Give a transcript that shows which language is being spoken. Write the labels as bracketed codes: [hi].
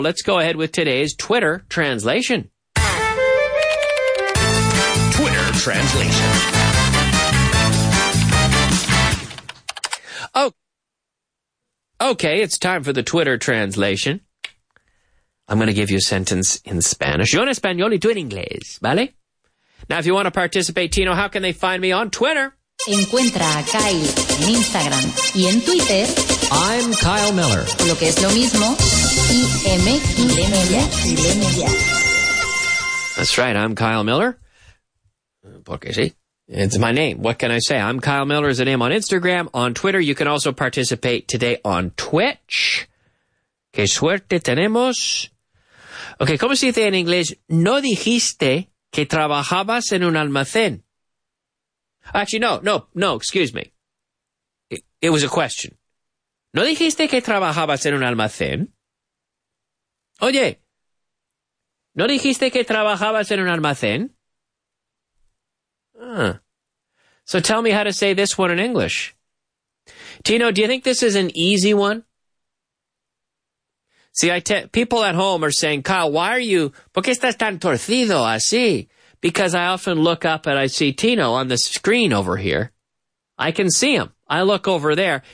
[en] Let's go ahead with today's Twitter translation. Twitter translation. Okay, it's time for the Twitter translation. I'm going to give you a sentence in Spanish. [es] Yo en español y tú en inglés, ¿vale? [en] Now, if you want to participate, Tino, how can they find me on Twitter? [es] Encuentra a Kyle en Instagram y en Twitter. [en] I'm Kyle Miller. [es] Lo que es lo mismo, IMIL. [en] That's right. I'm Kyle Miller. [es] Porque sí. [en] It's my name. What can I say? I'm Kyle Miller is the name on Instagram, on Twitter. You can also participate today on Twitch. [es] Qué suerte tenemos. Okay, ¿cómo se dice en inglés? No dijiste que trabajabas en un almacén. [en] Actually, no, excuse me. It was a question. [es] ¿No dijiste que trabajabas en un almacén? Oye, ¿no dijiste que trabajabas en un almacén? [en] So tell me how to say this one in English. Tino, do you think this is an easy one? See, people at home are saying, Kyle, why are you, [es] ¿por qué estás tan torcido así? [en] Because I often look up and I see Tino on the screen over here. I can see him. I look over there.